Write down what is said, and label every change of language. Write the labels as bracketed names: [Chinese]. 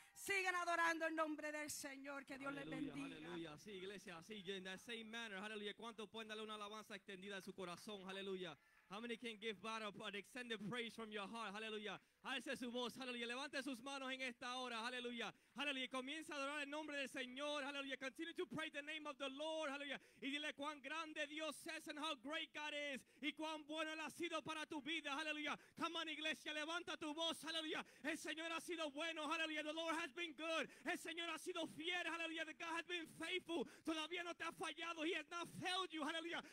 [Spanish] Sigan adorando el nombre del Señor, que Dios les bendiga. Aleluya, sí, iglesia, así, [English] in that same manner, hallelujah. [Spanish] ¿Cuánto pueden darle una alabanza extendida de su corazón? [English] Hallelujah. How many can give God an extended praise from your heart? [Spanish] Hallelujah. Alce su voz. Hallelujah. Levante sus manos en esta hora. Hallelujah. Hallelujah. Comienza a adorar el nombre del Señor. Hallelujah. [English] Continue to pray the name of the Lord. [Spanish] Hallelujah. Y dile cuán grande Dios es [English] and how great God is. [Spanish] Y cuán bueno Él ha sido para tu vida. Hallelujah. [English] Come on, [Spanish] iglesia. Levanta tu voz. Hallelujah. El Señor ha sido bueno. Hallelujah. [English] The Lord has been good. [Spanish] El Señor ha sido fiel. [English] Hallelujah. The God has been faithful. [Spanish] Todavía no te ha fallado. [English] He has not failed you. Hallelujah.